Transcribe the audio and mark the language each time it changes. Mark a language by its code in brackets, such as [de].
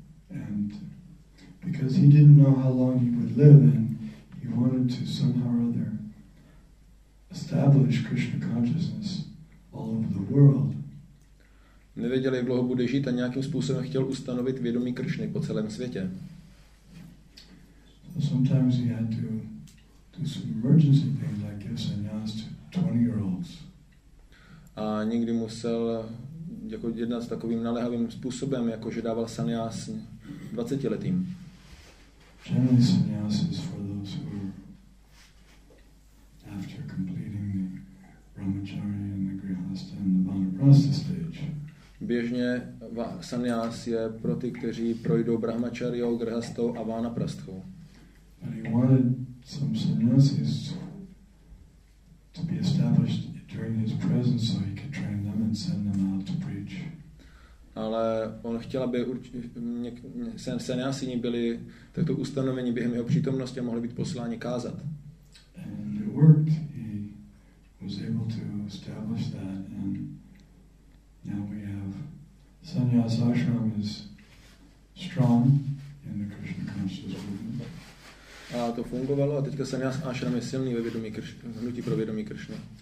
[en] And because he didn't know how long he would live, and he wanted to somehow or other establish Krishna consciousness all over the world. [cs] Nevěděl, jak dlouho bude žít, a nějakým způsobem chtěl ustanovit vědomí Kršny po celém světě. [en] So sometimes he had to do some emergency things, like give sannyas to 20-year-olds. [cs] A někdy musel jako jednat s takovým naléhavým způsobem, jako že dával sannyas 20letým. [en] Generally sannyas is for those who are after completing the brahmacharya and the grihastha and the vanaprastha stage. [cs] Běžně sannyas je pro ty, kteří projdou brahmacharyou, grihasthou a vanaprasthou. [en] But he wanted some sannyasis to be established during his presence so he could train them and send them out to preach. [cs] Ale on chtěl, aby sannyasini byli takto ustanoveni během jeho přítomnosti a mohli být posláni kázat. [en] And it worked. He was able to establish that. And now we have sannyas ashram is strong in the Krishna consciousness movement. [cs] A to fungovalo a teďka sannyas ashram je silný ve vědomí Kršny, hnutí pro vědomí Kršny.